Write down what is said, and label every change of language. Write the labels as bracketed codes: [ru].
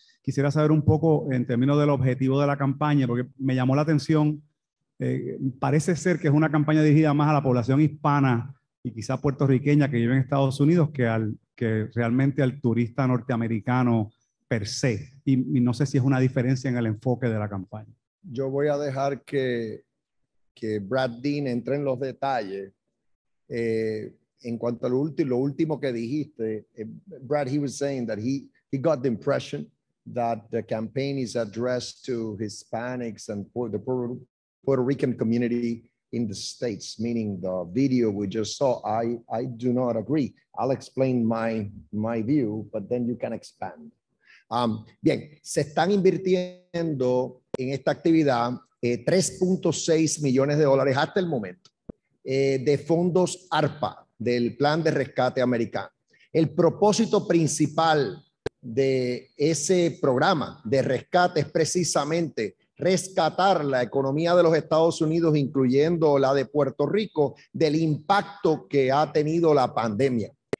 [es] Quisiera saber un poco en términos del objetivo de la campaña, porque me llamó la atención, parece ser que es una campaña dirigida más a la población hispana y quizá puertorriqueña que vive en Estados Unidos que realmente al turista norteamericano per se. Y no sé si es una diferencia en el enfoque de la campaña. Yo voy a dejar que Brad Dean entre en los detalles. En cuanto a lo último que dijiste, [en] Brad, he was saying that he got the impression that the campaign is addressed to Hispanics and the Puerto Rican community in the States, meaning the video we just saw. I do not agree. I'll explain my view, but then you can expand. [es] Bien, se están invirtiendo en esta actividad $3.6 millones hasta el momento de fondos ARPA, del Plan de Rescate Americano. El propósito principal de ese programa de rescate es precisamente rescatar la economía de los Estados Unidos, incluyendo la de Puerto Rico, del impacto que ha tenido la pandemia.